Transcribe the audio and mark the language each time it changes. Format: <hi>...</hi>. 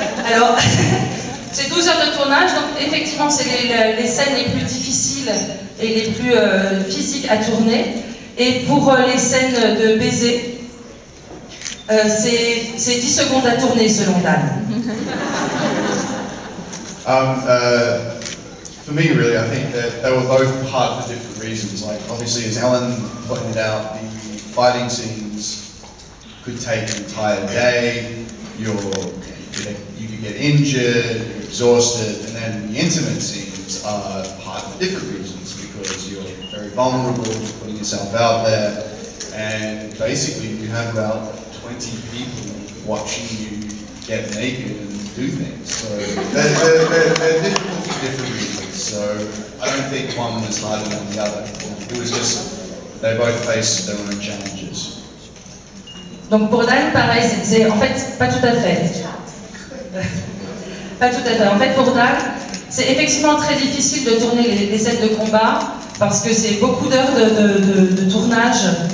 <fr>Alors, c'est 12 heures de tournage, donc effectivement, c'est les scènes les plus difficiles et les plus physiques à tourner. Et pour les scènes de baiser, c'est 10 secondes à tourner, selon Dan.</fr> <en>For me, really, I think that they were both hard for different reasons. Like, obviously, as Alan pointed out, the fighting scenes could take an entire day. You could get injured, you're exhausted, and then the intimate scenes are hard for different reasons because you're very vulnerable, you're putting yourself out there, and basically, you have about 20 people watching you get naked and do things. So they're difficult for different reasons. So I don't think one was harder than the other. It was just they both faced their own challenges.</en> <fr>Donc pour Dan, pareil, c'est en fait pas tout à fait. Pas tout à fait. En fait, pour Dan, c'est effectivement très difficile de tourner les scènes de combat parce que c'est beaucoup d'heures de tournage.</fr>